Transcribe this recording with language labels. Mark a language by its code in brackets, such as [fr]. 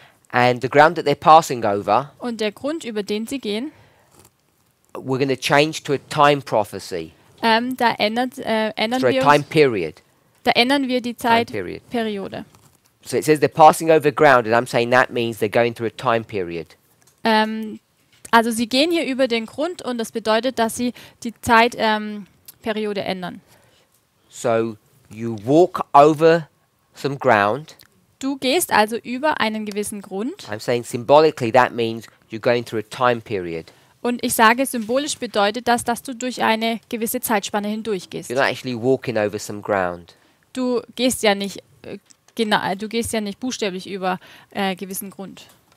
[en] And the ground that they're passing over. [de] Und der Grund, über den sie gehen. [en] We're going to change to a time prophecy. [de] Da ändern wir die Zeitperiode. [en] So it says they're passing over ground, and I'm saying that means they're going through a time period. [de] Also sie gehen hier über den Grund, und das bedeutet, dass sie die Zeitperiode ändern. [en] So you walk over some ground. [de] Du gehst also über einen gewissen Grund. [en] I'm saying symbolically that means you're going through a time period. [de] Und ich sage, symbolisch bedeutet das, dass du durch eine gewisse Zeitspanne hindurchgehst. [en] You're not actually walking over some ground. [de] Du gehst ja nicht buchstäblich über gewissen Grund.